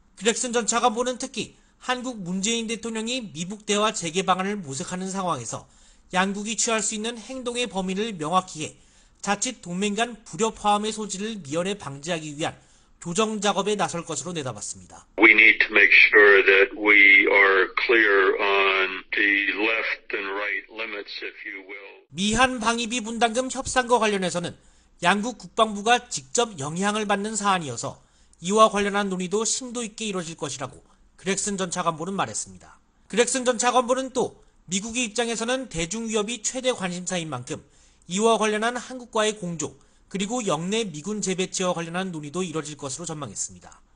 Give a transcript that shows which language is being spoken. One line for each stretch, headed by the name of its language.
Korean: 크렉슨 전 차관보는 특히 한국 문재인 대통령이 미북 대화 재개 방안을 모색하는 상황에서 양국이 취할 수 있는 행동의 범위를 명확히 해 자칫 동맹 간 불협 화음의 소지를 미연에 방지하기 위한 조정 작업에 나설 것으로 내다봤습니다.
English: We need to make sure that we are clear on the left and right limits, if you will.
Korean: 미한 방위비 분담금 협상과 관련해서는 양국 국방부가 직접 영향을 받는 사안이어서 이와 관련한 논의도 심도 있게 이루어질 것이라고 그렉슨 전 차관보는 말했습니다. 그렉슨 전 차관보는 또 미국의 입장에서는 대중 위협이 최대 관심사인 만큼 이와 관련한 한국과의 공조 그리고 역내 미군 재배치와 관련한 논의도 이뤄질 것으로 전망했습니다.